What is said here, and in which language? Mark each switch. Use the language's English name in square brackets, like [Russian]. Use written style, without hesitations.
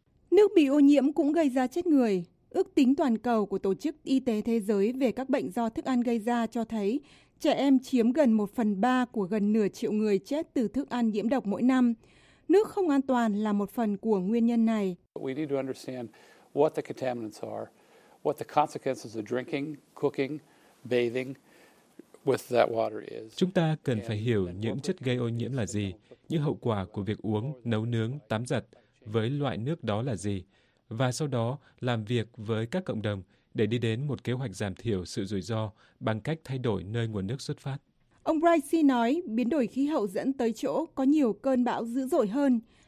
[Vietnamese] Nước bị ô nhiễm cũng gây ra chết người. Ước tính toàn cầu của Tổ chức Y tế Thế giới về các bệnh do thức ăn gây ra cho thấy trẻ em chiếm gần 1/3 của gần nửa triệu người chết từ thức ăn nhiễm độc mỗi năm. Nước không an toàn là một phần của nguyên nhân này. [English] We need to understand what the contaminants are, what the consequences of drinking, cooking, bathing with that water is. [Vietnamese] Chúng ta cần phải hiểu những chất gây ô nhiễm là gì, những hậu quả của việc uống, nấu nướng, tắm giặt với loại nước đó là gì, và sau đó làm việc với các cộng đồng để đi đến một kế hoạch giảm thiểu sự rủi ro bằng cách thay đổi nơi nguồn nước xuất phát. Ông Bricey nói biến đổi khí hậu dẫn tới chỗ có nhiều cơn bão dữ dội hơn.